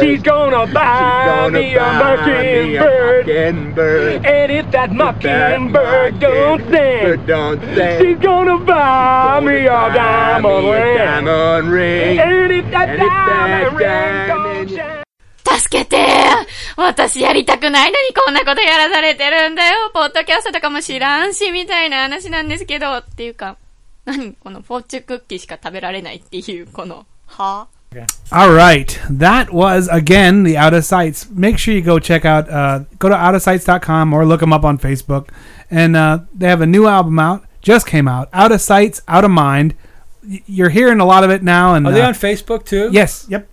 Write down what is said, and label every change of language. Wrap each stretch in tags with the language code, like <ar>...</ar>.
<en>She's gonna buy me a mockingbird! And if that mockingbird don't sing! She's gonna buy me a diamond ring! Diamond ring! And if that diamond ring don't shine!</en> <ja>助けて、私やりたくないのにこんなことやらされてるんだよ。ポッドキャストとかも知らんしみたいな話なんですけど、っていうか何このフォーチュクッキーしか食べられないっていうこのは。</ja> <en>All right, that was again the Out of Sights. Make sure you go check out, go to outofsights.com or look them up on Facebook, and they have a new album out, just came out, Out of Sights, Out of Mind. You're hearing a lot of it now. And are they on Facebook too? Yes. Yep.</en>